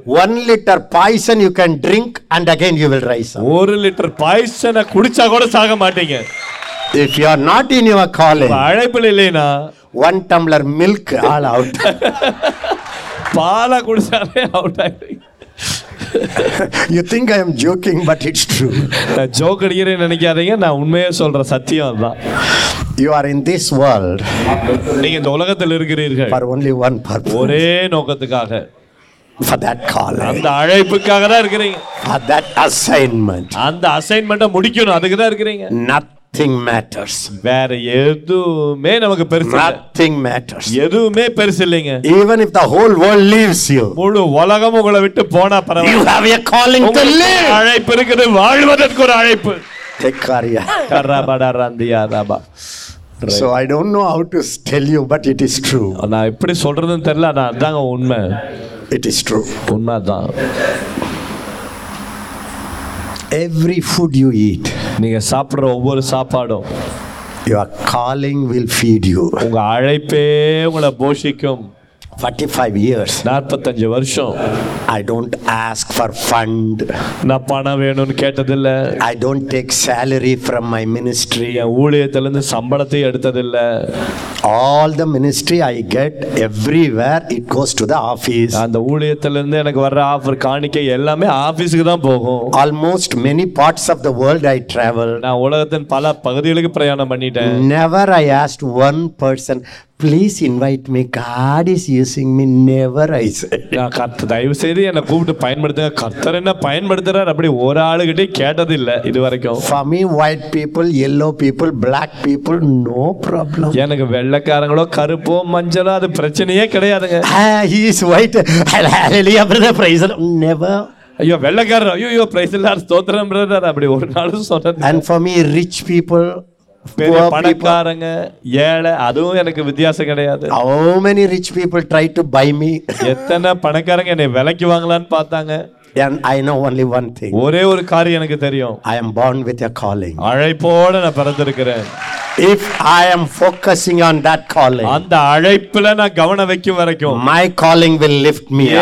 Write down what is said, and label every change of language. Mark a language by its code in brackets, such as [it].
[en] 1 liter poison you can drink and again you will rise up. [ta] 1 liter poison-அ குடிச்சா கூட சாக மாட்டீங்க. [en] If you are not in your calling [ta] அழைப்புல இல்லேனா [en] 1 tumbler milk all out. [ta] பாலை குடிச்சாலே out ஆயிடுவீங்க. [en] You think I am joking but it's true. [ta] நான் joke அடிக்கிறேன்னு நினைக்காதீங்க, நான் உண்மையே சொல்ற சத்தியம் அதான். [en] You are in this world. [ta] நீங்க இந்த உலகத்தில் இருக்கிறீர்கள். [en] For only one purpose. [ta] ஒரே நோக்கத்துக்காக. [en] For that call. [ta] அந்த அழைப்புக்காக தான் இருக்கிறீங்க. [en] For that assignment. [ta] அந்த அசைன்மென்ட்டை முடிக்கணும் அதுக்கு தான் இருக்கிறீங்க. [en] Nothing matters. [ta] வேற எதுமே நமக்கு பெருசு இல்ல. [en] Nothing matters. [ta] எதுமே பெருசு இல்லங்க. [en] Even if the whole world leaves you. [ta] முழு உலகமும் உங்களை விட்டு போனா பரவாயில்லை. [en] You have a calling to live. [ta] அழைப்பு இருக்குது, வாழ்வதற்கு ஒரு அழைப்பு. [en] So I don't know how to tell you but it is true. [ta] நான் எப்படி சொல்றதுன்னு தெரியல, அது அதாங்க உண்மை. [en] It is true. [ta] உண்மைதான். [en] Every food you eat. [ta] நீங்க சாப்பிடுற ஒவ்வொரு சாப்பாடும் [en] Your calling will feed you. [ta] உங்க அழைப்பே உங்களை போஷிக்கும். [en] 45 years. [ta] 45 வருஷம். [en] I don't ask for fund. [ta] நான் பணம் வேணும்னு கேட்டதில்லை. [en] I don't take salary from my ministry. [ta] என் ஊழியத்திலிருந்து சம்பளத்தை எடுத்ததில்லை. [en] All the ministry I get everywhere it goes to the office. [ta] அந்த ஊழியத்திலிருந்து எனக்கு வர ஆஃபர் காணிக்கை எல்லாமே ஆபீஸ்க்கு தான் போகும். [en] Almost many parts of the world I travel. [ta] நான் உலகத்தின் பல பகுதிகளுக்கு பிரயாணம் பண்ணிட்டேன். [en] Never I asked one person, please invite me, God is using me. Never I say. [ta] நான் கர்த்தர் தயவு செய்து என்னை கூப்பிட்டு பயன்படுத்துங்க, கர்த்தர் என்ன பயன்படுத்துறார் அப்படி ஒரு ஆளுகிட்டே கேட்டதில்லை இது வரைக்கும். [en] For me, white people, yellow people, black people, no problem. [ta] எனக்கு வெள்ளக்காரங்களோ கருப்போ மஞ்சளோ அது பிரச்சனையே கிடையாதுங்க. [en] He is white. Hallelujah, brother, praise the Lord. Never. [ta] ஐயோ வெள்ளக்காரர், ஐயோ [en] praise the Lord, [ta] ஸ்தோத்திரம் பிரதர், அப்படி ஒரு நாளும் சொன்னது. [en] And for me, rich people, [ta] பெரிய பணக்காரங்க ஏழை, அதுவும் எனக்கு வித்தியாசம் கிடையாது. [en] How many rich people try to buy me? [ta] எத்தனை பணக்காரங்க என்னை விலைக்கு வாங்கலான்னு பார்த்தாங்க. [en] And I know only one thing. [ta] ஒரே ஒரு காரியம் எனக்கு தெரியும். [en] I am born with a calling. [ta] அழைப்போடு நான் பிறந்திருக்கிறேன். [en] If I am focusing on that calling, [ta] அந்த அழைப்புல நான் கவனம் வைக்கும் வரைக்கும், [en] my calling will lift me up.